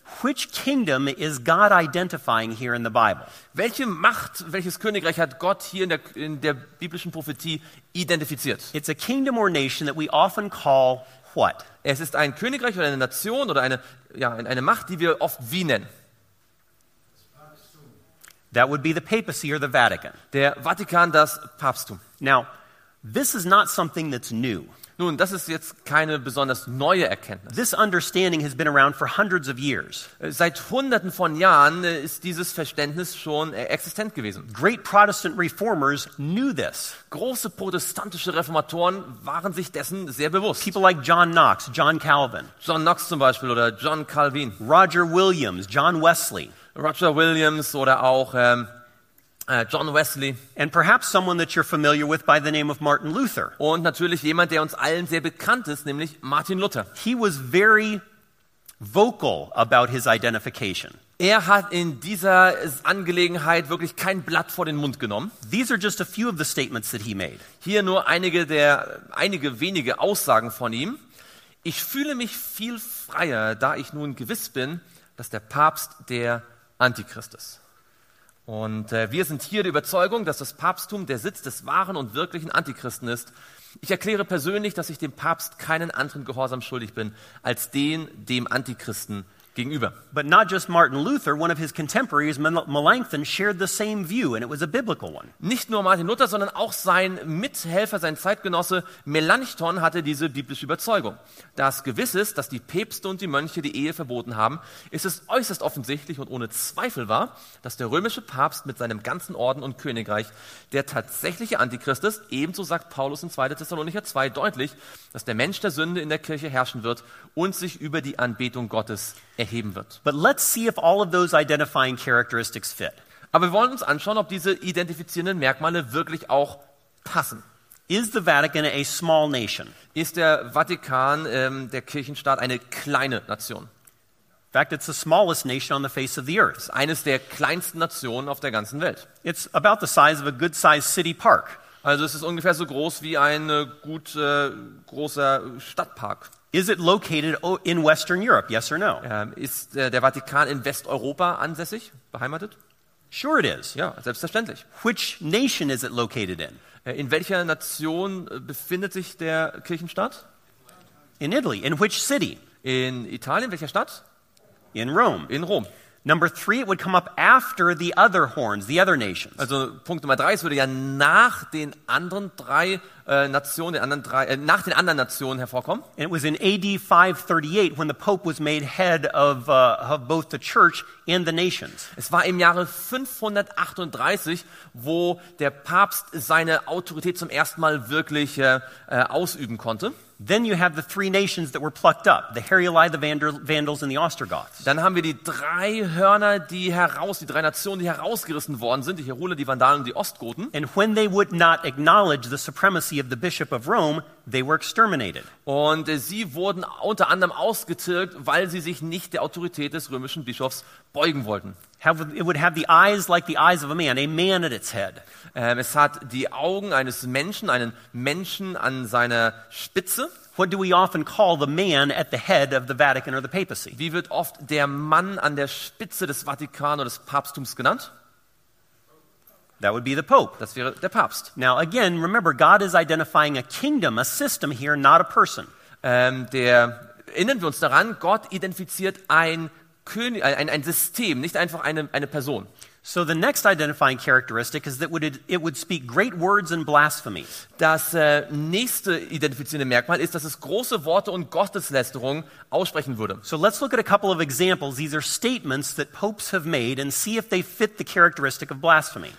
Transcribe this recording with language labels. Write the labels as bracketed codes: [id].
[en] Which kingdom is God identifying here in the Bible? [de] Welche Macht, welches Königreich hat Gott hier in der biblischen Prophetie identifiziert? [en] It's a kingdom or nation that we often call what? [de] Es ist ein Königreich oder eine Nation oder eine Macht, die wir oft wie nennen. [en] That would be the papacy or the Vatican. [de] Der Vatikan, das Papsttum. [en] Now, this is not something that's new. [de] Nun, das ist jetzt keine besonders neue Erkenntnis. [en] This understanding has been around for hundreds of years. [de] Seit Hunderten von Jahren ist dieses Verständnis schon existent gewesen. [en] Great Protestant reformers knew this. [de] Große protestantische Reformatoren waren sich dessen sehr bewusst. [en] People like John Knox, John Calvin. [de] John Knox zum Beispiel oder John Calvin. [en] Roger Williams, John Wesley. [de] Roger Williams oder auch John Wesley. [en] And perhaps someone that you're familiar with by the name of Martin Luther. [de] Und natürlich jemand, der uns allen sehr bekannt ist, nämlich Martin Luther. [en] He was very vocal about his identification. [de] Er hat in dieser Angelegenheit wirklich kein Blatt vor den Mund genommen. [en] These are just a few of the statements that he made. [de] Hier nur einige wenige Aussagen von ihm. Ich fühle mich viel freier, da ich nun gewiss bin, dass der Papst der Antichrist ist. Und wir sind hier der Überzeugung, dass das Papsttum der Sitz des wahren und wirklichen Antichristen ist. Ich erkläre persönlich, dass ich dem Papst keinen anderen Gehorsam schuldig bin, als den dem Antichristen gegenüber. [en] But not just Martin Luther, one of his contemporaries, Melanchthon, shared the same view, and it was a biblical one. [de] Nicht nur Martin Luther, sondern auch sein Mithelfer, sein Zeitgenosse Melanchthon hatte diese biblische Überzeugung. Da es gewiss ist, dass die Päpste und die Mönche die Ehe verboten haben, ist es äußerst offensichtlich und ohne Zweifel wahr, dass der römische Papst mit seinem ganzen Orden und Königreich der tatsächliche Antichrist ist. Ebenso sagt Paulus in 2. Thessalonicher 2 deutlich, dass der Mensch der Sünde in der Kirche herrschen wird und sich über die Anbetung Gottes erheben wird. [en] But let's see if all of those identifying characteristics fit. [de] Aber wir wollen uns anschauen, ob diese identifizierenden Merkmale wirklich auch passen. [en] Is the Vatican a small nation? [de] Ist der Vatikan, der Kirchenstaat, eine kleine Nation? [en] In fact, it's the smallest nation on the face of the earth. [de] Es ist eines der kleinsten Nationen auf der ganzen Welt. [en] It's about the size of a good-sized city park. [de] Also es ist ungefähr so groß wie ein gut großer Stadtpark. [en] Is it located in Western Europe? Yes or no? [de] Ist der Vatikan in Westeuropa ansässig, beheimatet? [en] Sure it is. [de] Ja, selbstverständlich. [en] Which nation is it located in? [de] In welcher Nation befindet sich der Kirchenstaat? [en] In Italy. In which city? [de] In Italien, welcher Stadt? [en] In Rome. [de] In Rom. [en] Number three, it would come up after the other horns, the other nations. [de] Also Punkt Nummer drei, es würde ja nach den anderen drei Nationen, nach den anderen Nationen hervorkommen. [en] And it was in AD 538 when the Pope was made head of both the church and the nations. [de] Es war im Jahre 538, wo der Papst seine Autorität zum ersten Mal wirklich ausüben konnte. [en] Then you have the three nations that were plucked up, the Heruli, the Vandals and the Ostrogoths. [de] Dann haben wir die drei Hörner, die drei Nationen, die herausgerissen worden sind, die Heruli, die Vandalen und die Ostgoten. [en] And when they would not acknowledge the supremacy of the Bishop of Rome, they were exterminated. [de] Und sie wurden unter anderem ausgetilgt, weil sie sich nicht der Autorität des römischen Bischofs beugen wollten. [en] It would have the eyes like the eyes of a man at its head. [de] Es hat die Augen eines Menschen, einen Menschen an seiner Spitze. [en] What do we often call the man at the head of the Vatican or the papacy? [de] Wie wird oft der Mann an der Spitze des Vatikan oder des Papsttums genannt? [en] That would be the Pope. [de] Das wäre der Papst. [en] Now again, remember, God is identifying a kingdom, a system here, not a person. [de] Erinnern wir uns daran, Gott identifiziert ein System, nicht einfach eine Person. [en] So the next identifying characteristic is that it would speak great words and blasphemy. [de] Das nächste identifizierende Merkmal ist, dass es große Worte und Gotteslästerung aussprechen würde. [en] So let's look at a couple of examples. These are statements that popes have made and see if they fit the characteristic of blasphemy.